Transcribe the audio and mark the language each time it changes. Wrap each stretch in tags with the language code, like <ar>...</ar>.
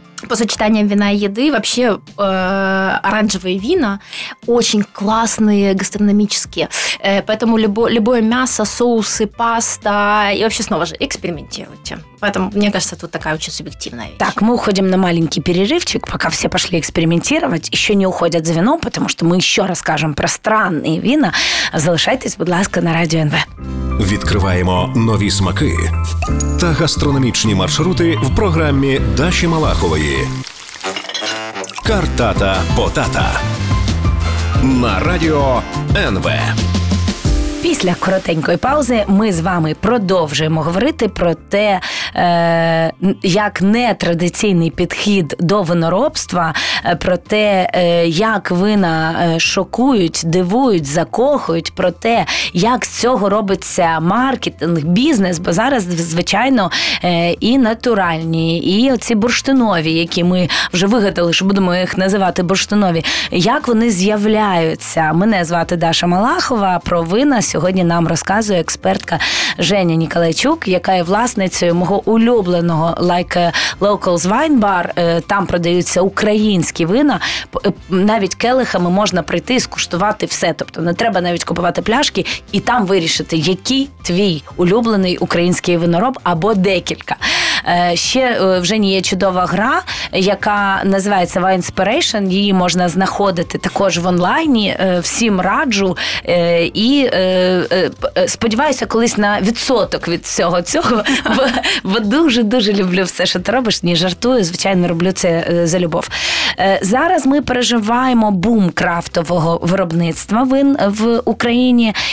<ru>По сочетаниям вина и еды вообще оранжевые вина очень классные гастрономические. Поэтому любое мясо, соусы, паста и вообще снова же экспериментируйте. Поэтому, мне кажется, тут такая очень субъективная вещь. Так, мы уходим на маленький перерывчик, пока все пошли экспериментировать. Еще не уходят за вином, потому что мы еще расскажем про странные вина.</ru> <uk>Залишайтесь, будь ласка, на Радіо НВ. Відкриваємо нові смаки та гастрономічні маршрути в програмі Даші Малахової. Картата-потата на Радіо НВ. Після коротенької паузи ми з вами продовжуємо говорити про те, як нетрадиційний підхід до виноробства, про те, як вина шокують, дивують, закохують, про те, як з цього робиться маркетинг, бізнес, бо зараз, звичайно, і натуральні, і оці бурштинові, які ми вже вигадали, що будемо їх називати бурштинові, як вони з'являються. Мене звати Даша Малахова, про вина сьогодні нам розказує експертка Женя Ніколайчук, яка є власницею мого улюбленого Like Locals Wine Bar. Там продаються українські вина. Навіть келихами можна прийти і скуштувати все. Тобто не треба навіть купувати пляшки і там вирішити, який твій улюблений український винороб або декілька. Ще в Жені є чудова гра, яка називається Wineспiration. Її можна знаходити також в онлайні. Всім раджу. І сподіваюся колись на відсоток від всього цього, бо дуже-дуже люблю все, що ти робиш. Ні, жартую, звичайно, роблю це за любов. Зараз ми переживаємо бум крафтового виробництва вин в Україні.</uk>